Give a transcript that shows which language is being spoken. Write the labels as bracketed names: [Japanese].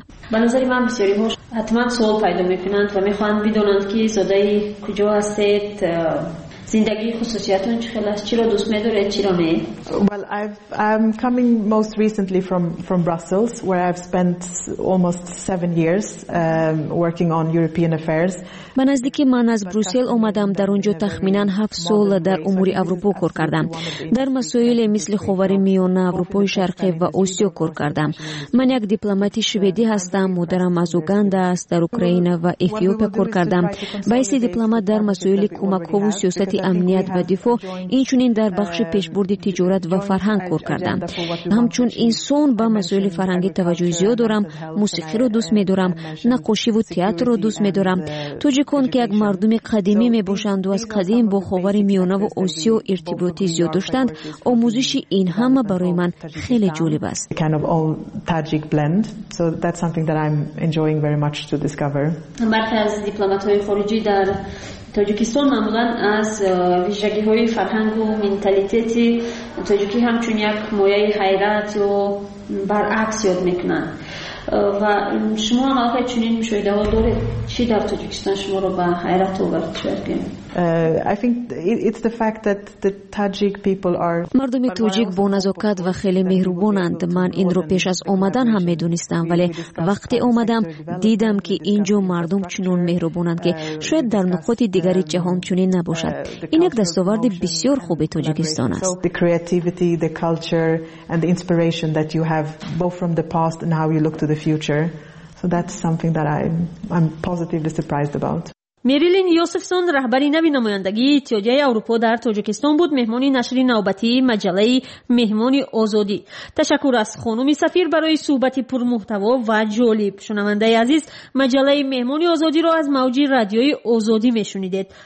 [Persian] به نظر من بسیاری ها حتما سوال پیدا میکنند و میخواهند بدانند که زاده کجا هستید، زندگی خصوصیتون چه خیلی است، چرا دوست میدارید، چرا می؟ [English] Well, I'm coming most recently from Brussels, where I've spent almost 7 years working on European affairs. [Persian] من از دیکی من از بروسل اومدم، در اونجا تخمیناً 7 سال در امور اروپا کار کردم. در مسائل مثل خاورمیانه، اروپای شرقی و آسیا کار کردم. من یک دیپلماتی شویدی هستم، مادرم از اوگاندا است، در اوکراین و اتیوپی کار کردم. بایستی دیپلمات در مسائل کمک و سیاست امنیت و دفاع، اینچنین در بخش پیشبرد تجارت و فرهنگ کار کردم. همچون انسان با مسائل فرهنگی توجه زیاد دارم، موسیقی رو دوست می‌دارم، نقاشی و تئاتر رو دوست می‌دارم. توجیکون که یک مردم قدیمی می باشند و از قدیم با خاور میانه و آسیو ارتباطی زیاد داشتند، آموزش این همه برای من خیلی جالب است. [English] Kind of all Tajik blend, so that's something that I'm enjoying very much to discover. [Persian] برخی از دیپلمات‌های خارجی در تاجیکستان معمولا از ویژگی‌های فرهنگ و منتالیتی تاجیکی همچون یک مایه حیرت و برعکس یاد میکنند. و شما هم آقای چنین مشاهده ها دارید؟ چی در تاجیکستان شما رو به حیرت آورد؟ [English] I think it's the fact that the Tajik people are [Persian] مردم تاجیک با نزاکت و خیلی مهربانند. من این رو پیش از اومدن هم میدونستم، ولی وقتی اومدم دیدم که اینجا مردم چنون مهربانند که شاید در نقاط دیگر جهان چنین نباشد. این یک دستاورد بسیار خوب تاجیکستان است. [English] The creativity, the culture and the inspiration that you have both from the past and how you look to the future. So that's something that I'm positively surprised about. [Persian] میریلین یوسفسون رهبری نوی نمایندگی اتحادیه اروپا در تاجیکستان بود، مهمانی نشر نوبتی مجله مهمانی آزادی. تشکر از خانم سفیر برای صحبت پرمحتوا و جالب. شنونده عزیز، مجله مهمانی آزادی را از موج رادیوی آزادی میشنیدید.